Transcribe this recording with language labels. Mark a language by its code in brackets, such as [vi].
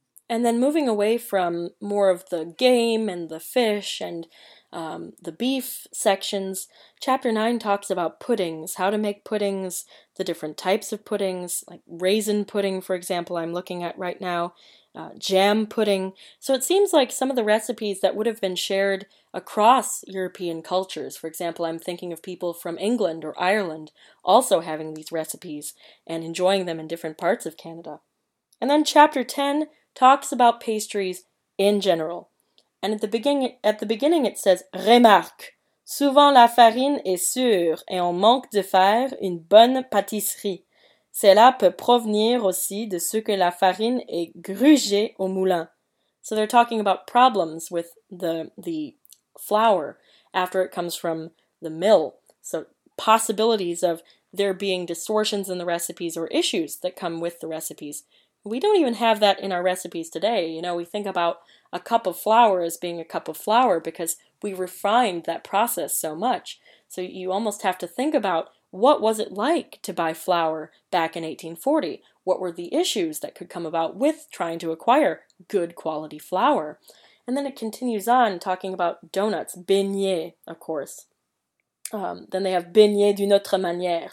[en] And then moving away from more of the game and the fish and the beef sections, chapter 9 talks about puddings, how to make puddings, the different types of puddings, like raisin pudding, for example, I'm looking at right now, jam pudding. So it seems like some of the recipes that would have been shared across European cultures, for example, I'm thinking of people from England or Ireland also having these recipes and enjoying them in different parts of Canada. And then chapter 10 talks about pastries in general. And at the beginning it says, [fr] remarque, souvent la farine est sûre et on manque de faire une bonne pâtisserie. Cela peut provenir aussi de ce que la farine est grugée au moulin. [en] So they're talking about problems with the flour after it comes from the mill. So possibilities of there being distortions in the recipes or issues that come with the recipes. We don't even have that in our recipes today. You know, we think about a cup of flour as being a cup of flour because we refined that process so much. So you almost have to think about what was it like to buy flour back in 1840? What were the issues that could come about with trying to acquire good quality flour? And then it continues on talking about donuts, beignets, of course. Then they have [fr] beignets d'une autre manière.